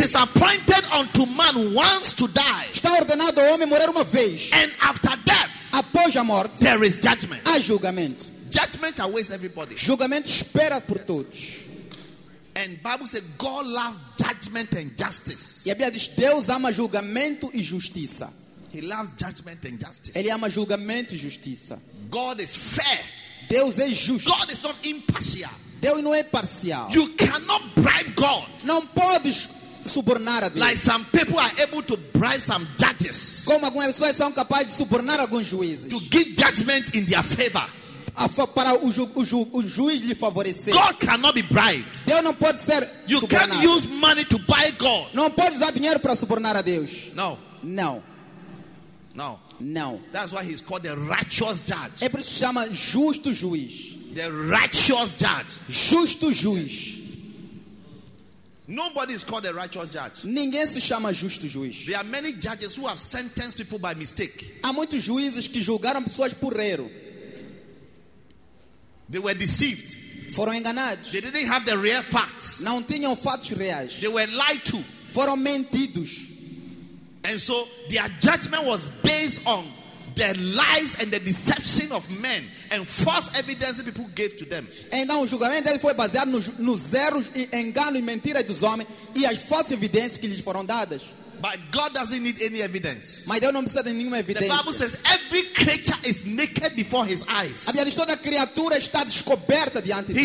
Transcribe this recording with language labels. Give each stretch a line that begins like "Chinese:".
English: It is appointed unto man once to die.
Portuguese: Está ordenado ao homem morrer uma vez.
English: And after death,
Portuguese: após a morte,
English: there is judgment.
Portuguese: Há julgamento.
English: Judgment awaits everybody.
Portuguese: Julgamento espera por todos.
English: And Bible says God loves judgment and justice.
Portuguese: E a Bíblia diz Deus ama julgamento e justiça.
English: He loves judgment and justice.
Portuguese: Ele ama julgamento e justiça.
English: God is fair.
Portuguese: Deus é justo.
English: God is not impartial.
Portuguese: Deus não é parcial.
English: You cannot bribe God.
Portuguese: Não podes subornar a Deus.
English: Like some people are able to bribe some judges.
Portuguese: Como algumas pessoas são capazes de subornar alguns juízes.
English: To give judgment in their favor.
Portuguese: Para o juiz lhe favorecer.
English: God cannot be bribed.
Portuguese: Deus não pode ser
English: you
Portuguese: subornado.
English: Can't use money to buy God.
Portuguese: Não pode usar dinheiro para subornar a Deus.
English: No. No. No. No. That's why he's called the righteous judge.
Portuguese: É por isso que se chama justo juiz.
English: The righteous judge.
Portuguese: Justo juiz.
English: Nobody is called a righteous judge.
Portuguese: Ninguém se chama justo juiz.
English: There are many judges who have sentenced people by mistake.
Portuguese: Há muitos juízes que julgaram pessoas por erro.
English: They were deceived.
Portuguese: Foram enganados.
English: They didn't have the real facts.
Portuguese: Não tinham fatos reais.
English: They were lied to.
Portuguese: Foram mentidos.
English: And so their judgment was based on the lies and the deception of men and false evidence that people gave to them.
Portuguese: Então o julgamento dele foi baseado nos erros e engano e mentira dos homens e as falsas evidências que lhes foram dadas.
English: But God doesn't need any evidence.
Portuguese: Mas Deus não precisa de nenhuma evidência.
English: The Bible says every creature is naked before his eyes.
Portuguese: A Bíblia diz toda criatura está descoberta diante dele.